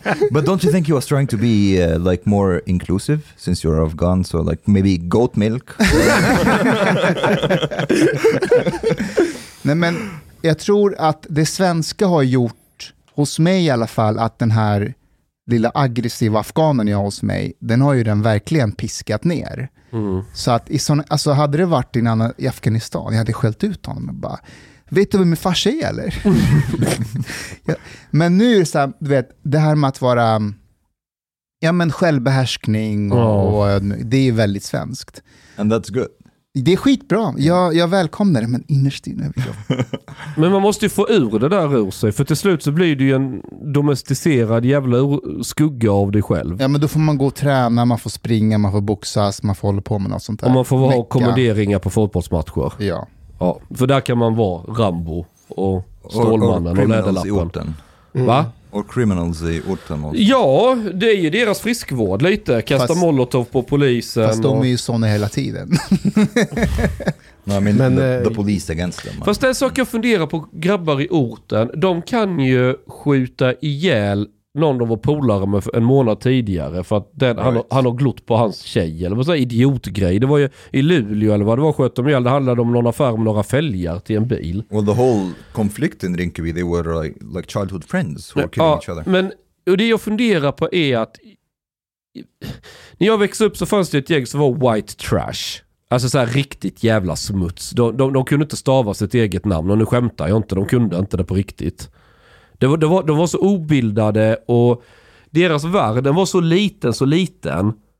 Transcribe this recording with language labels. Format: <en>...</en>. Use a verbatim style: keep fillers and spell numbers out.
<en>But don't you think you was trying to be uh, like more inclusive since you're Afghan, so like maybe goat milk?</en> <sv>Nej men jag tror att det svenska har gjort hos mig i alla fall att den här lilla aggressiva afghanen jag har hos mig, den har ju den verkligen piskat ner. Mm. Så att i sån, alltså hade det varit i, en annan, i Afghanistan, jag hade skällt ut honom och bara, vet du vem min farsa är eller? Ja. Men nu är det så här, du vet, det här med att vara ja, men självbehärskning och, oh. och det är väldigt svenskt.</sv> <en>And that's good.</en> <sv>Det är skitbra. Jag, jag välkomnar det, men innerst inne vill jag. Men man måste ju få ur det där ur sig. För till slut så blir det ju en domesticerad jävla ur- skugga av dig själv. Ja, men då får man gå och träna, man får springa, man får boxas, man får hålla på med något sånt där. Och man får ha kommenderingar på fotbollsmatcher. Ja. Ja. För där kan man vara Rambo och Stålmannen och, och, och Läderlappen. Mm. Va? Och criminals i orten också. Ja, det är ju deras friskvård lite. Kasta fast, molotov på polisen. Fast de är ju såna hela tiden. Nej, men, men</sv> <en>the, the police against them.</en> <sv>Fast det är saker jag funderar på, grabbar i orten. De kan ju skjuta ihjäl någon de var polare med en månad tidigare. För att den, right. han, han har glott på hans tjej. Eller vad sån idiotgrej. Det var ju i Luleå eller vad det var, sköt de ihjäl. Det handlade om någon affär med några fälgar till en bil.</sv> <en>Well, the whole conflict in Rinkeby, they were like, like childhood friends who were killing</en> <sv>ja,</sv> <en>each other.</en> <sv>Men och det jag funderar på är att när jag växte upp så fanns det ett gäng som var white trash. Alltså så här riktigt jävla smuts. De, de, de kunde inte stava sitt eget namn. Och nu skämtar jag inte, de kunde inte det på riktigt. Det var, det var, de var så obildade och deras värld, den var så liten, så liten.</sv>